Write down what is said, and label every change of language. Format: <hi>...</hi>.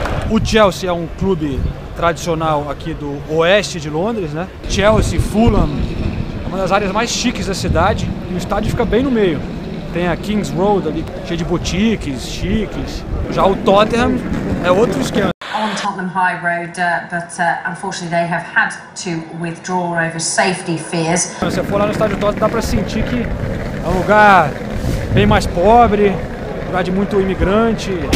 <pt>O Chelsea é um clube tradicional aqui do oeste de Londres, né? Chelsea, Fulham, é uma das áreas mais chiques da cidade. E o estádio fica bem no meio. Tem a King's Road ali, cheia de boutiques, chiques. Já o Tottenham é outro esquema.</pt> <en>On Tottenham High Road, but unfortunately they have had to withdraw over safety fears.</en> <pt>Você for lá no estádio Tottenham, dá pra sentir que é um lugar bem mais pobre, lugar de muito imigrante.</pt>